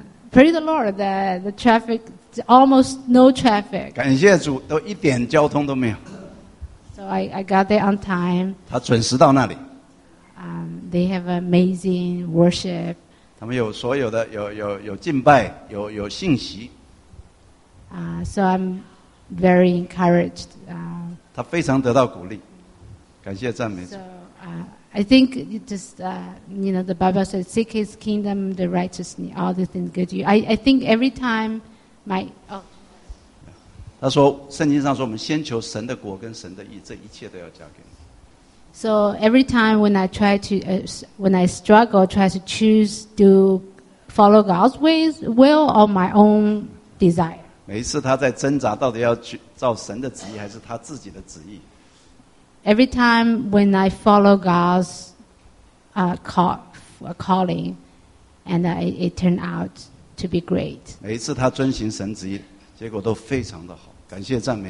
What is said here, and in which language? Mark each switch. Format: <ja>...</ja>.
<en>Praise the Lord that the traffic almost no traffic.</en> <zh>感谢主，都一点交通都没有。</zh> <en>So I got there on time.</en> <zh>他准时到那里。</zh> <en>They have amazing worship.</en> <zh>他们有所有的有敬拜有信息。</zh> <en>So I'm very encouraged.</en> <zh>他非常得到鼓励，感谢赞美主。</zh> <en>So I think just you know the Bible says seek His kingdom, the righteousness, all the things good to you. I think every time my</en> <zh>他说圣经上说我们先求神的国跟神的义，这一切都要加给你。</zh> <en>So every time when I try to, when I struggle, try to choose to follow God's ways, will or my own desire.</en> <zh>每一次他在挣扎，到底要去照神的旨意，还是他自己的旨意</zh> <en>？Every time when I follow God's calling, and it turned out to be great.</en> <zh>每一次他遵循神旨意，结果都非常的好，感谢赞美。</zh>